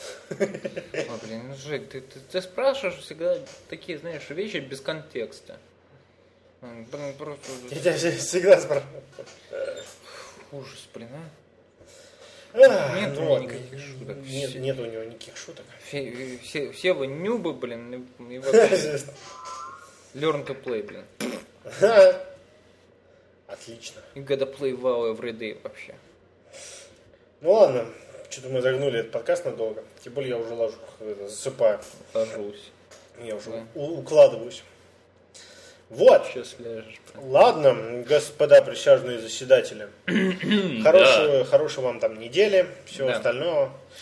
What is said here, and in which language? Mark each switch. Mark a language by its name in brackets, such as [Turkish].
[Russian] О, блин, Жек, ты спрашиваешь всегда такие, знаешь, вещи без контекста. Блин, просто... Я тебя всегда спрашиваю. Ужас, блин, а? Нет у него никаких шуток. Нет у него никаких шуток. Все вы нюбы, блин. Вообще... [English] Learn to play, [Russian] блин. Отлично. [English] You gotta play WoW every day [Russian] вообще. Ну ладно, что-то мы загнули этот подкаст надолго. Тем более я уже засыпаю. Ложусь. Я уже укладываюсь. Вот. Сейчас ляжешь. Ладно, господа присяжные заседатели. Хорошего вам там недели. Всего остального.